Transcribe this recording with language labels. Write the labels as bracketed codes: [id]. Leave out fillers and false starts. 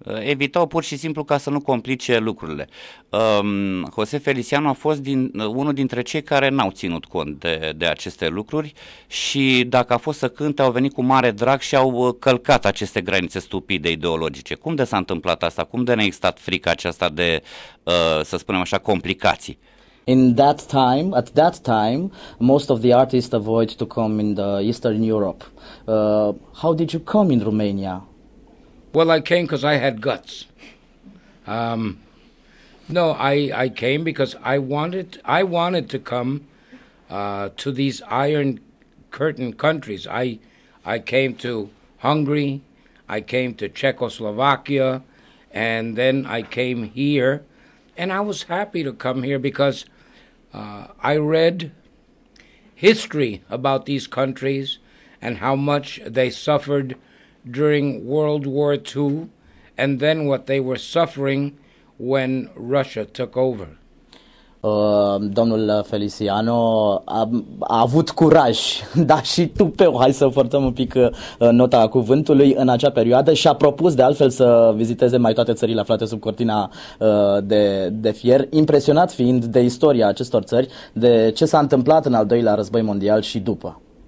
[ro] Evitau pur și simplu ca să nu complice lucrurile. José Feliciano a fost unul dintre cei care n-au ținut cont de aceste lucruri și dacă a fost să cânte, au venit cu mare drag și au călcat aceste granițe stupide ideologice. Cum de s-a întâmplat asta? Cum de ne-a existat frica aceasta de, să spunem așa, complicații? [en] At that time, most of the artists avoid to come in the Eastern Europe. How did you come in Romania? Well, I came because I had guts. No, I came because I wanted to come to these Iron Curtain countries. I came to Hungary, I came to Czechoslovakia, and then I came here, and I was happy to come here because I read history about these countries and how much they suffered during World War II, and then what they were suffering when Russia took over. [ro] Domnul Feliciano a avut curaj, da, și tupeu, hai să forțăm un pic nota cuvântului în acea perioadă și a propus de altfel să viziteze mai toate țările aflate sub cortina de fier, impresionat fiind de istoria acestor țări, de ce s-a întâmplat în al doilea război mondial și după.